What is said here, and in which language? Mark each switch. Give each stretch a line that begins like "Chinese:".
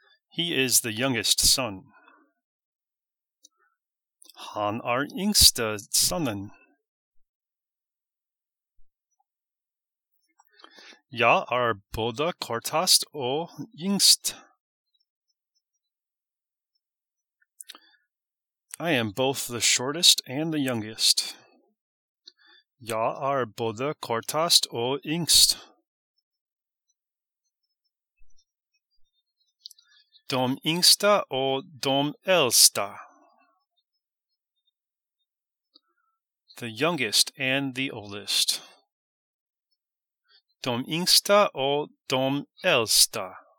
English: He is the youngest son.
Swedish: Han är yngsta sonen. Jag är både kortast och yngst.
English: I am both the shortest and the youngest.
Swedish: Jag är både kortast och yngst. Dom yngsta och dom äldsta.
English: The youngest and the oldest.
Swedish: Dom yngsta och dom äldsta.